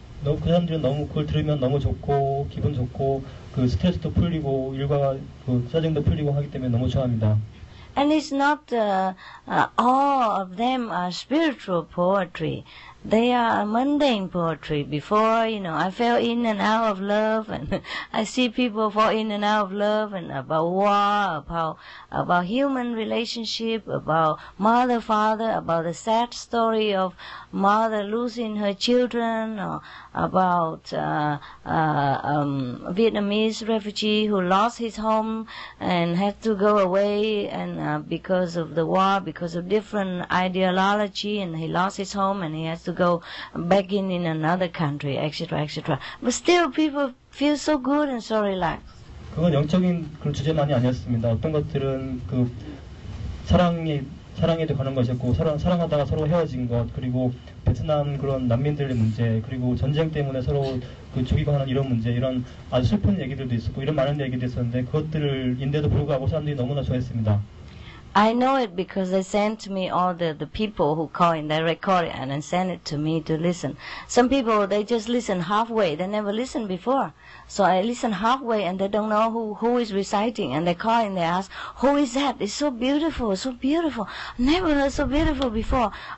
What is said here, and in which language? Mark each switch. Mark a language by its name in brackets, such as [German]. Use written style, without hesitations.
[Korean] 그 사람들은 너무 그걸 들으면 너무 좋고 기분 좋고 그 스트레스도 풀리고 일과 그 짜증도 풀리고 하기 때문에 너무 좋아합니다. [English] And it's not all of them are spiritual poetry. They are mundane poetry. Before, you know, I fell in and out of love, and I see people fall in and out of love, and about war, about human relationship, about mother, father, about the sad story of mother losing her children, or about Vietnamese refugee who lost his home and had to go away, and because of the war, because of different ideology, and he lost his home, and he has to go begging in another country, etc., etc. But still, people feel so good and so relaxed. [Korean] 그건 영적인 그런 주제만이 아니었습니다. 어떤 것들은 그 사랑에도 관한 것이었고, 사랑하다가 서로 헤어진 것, 그리고 베트남 그런 난민들의 문제, 그리고 전쟁 때문에 서로 그 죽이고 하는 이런 문제, 이런 아주 슬픈 얘기들도 있었고, 이런 많은 얘기도 있었는데 그것들인데도 불구하고 사람들이 너무나 좋아했습니다. [English] I know it because they sent me all the people who call in, they record it and then send it to me to listen. Some people, they just listen halfway, they never listened before. So I listen halfway and they don't know who is reciting and they call in, they ask, who is that? It's so beautiful, never heard so beautiful before.